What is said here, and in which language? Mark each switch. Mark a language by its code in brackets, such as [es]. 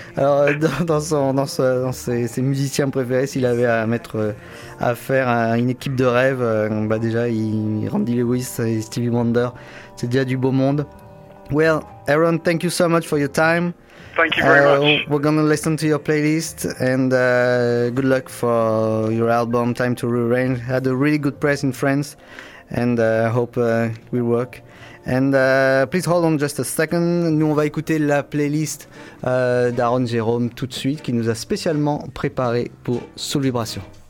[fr] Alors, dans ses musiciens préférés, s'il avait à mettre à faire une équipe de rêve, déjà Randy Lewis et Stevie Wonder, c'est déjà du beau monde. [en] Well, Aaron, thank you so much for your time. Thank you very much. We're gonna listen to your playlist and good luck for your album Time to Rearrange. Had a really good press in France and I hope we work. And please hold on just a second. [fr] Nous, on va écouter la playlist d'Aaron Jérôme tout de suite, qui nous a spécialement préparé pour Soul Vibration.